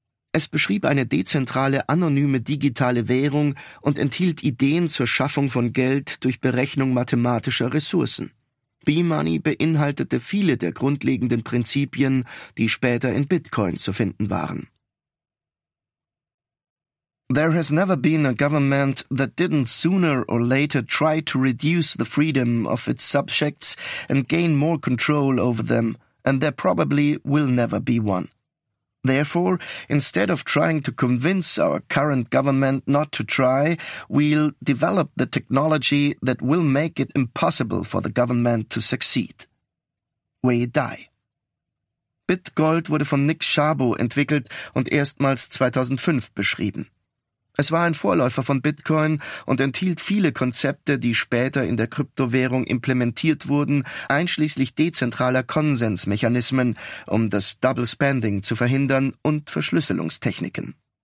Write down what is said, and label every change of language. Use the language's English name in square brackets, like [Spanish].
[German] Es beschrieb eine dezentrale, anonyme digitale Währung und enthielt Ideen zur Schaffung von Geld durch Berechnung mathematischer Ressourcen. B-Money beinhaltete viele der grundlegenden Prinzipien, die später in Bitcoin zu finden waren. [English] There has never been a government that didn't sooner or later try to reduce the freedom of its subjects and gain more control over them, and there probably will never be one. Therefore, instead of trying to convince our current government not to try, we'll develop the technology that will make it impossible for the government to succeed. Wade Dye. [German] BitGold wurde von Nick Szabo entwickelt und erstmals 2005 beschrieben. Es war ein Vorläufer von Bitcoin und enthielt viele Konzepte, die später in der Kryptowährung implementiert wurden, einschließlich dezentraler Konsensmechanismen, um das Double Spending zu verhindern und Verschlüsselungstechniken.